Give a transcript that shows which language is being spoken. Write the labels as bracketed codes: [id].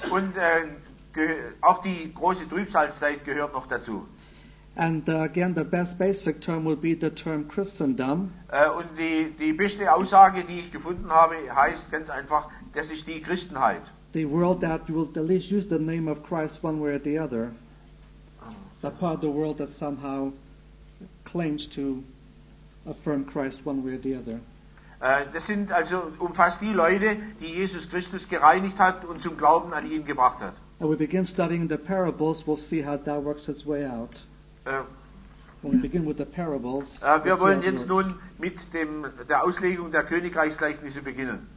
[de] Und auch die große Trübsalzeit gehört noch dazu. [en] And again, the best basic term would be the term Christendom. [de] Und die beste Aussage, die ich gefunden habe, heißt ganz einfach, das ist die Christenheit. [en] The world that will at least use the name of Christ one way or the other. The part of the world that somehow claims to affirm Christ one way or the other. [de] Das sind also umfasst die Leute, die Jesus Christus gereinigt hat und zum Glauben an ihn gebracht hat. [en] And we begin studying the parables, we'll see how that works its way out. When we begin with the parables, [de] wir wollen jetzt nun mit der Auslegung der Königreichsgleichnisse beginnen.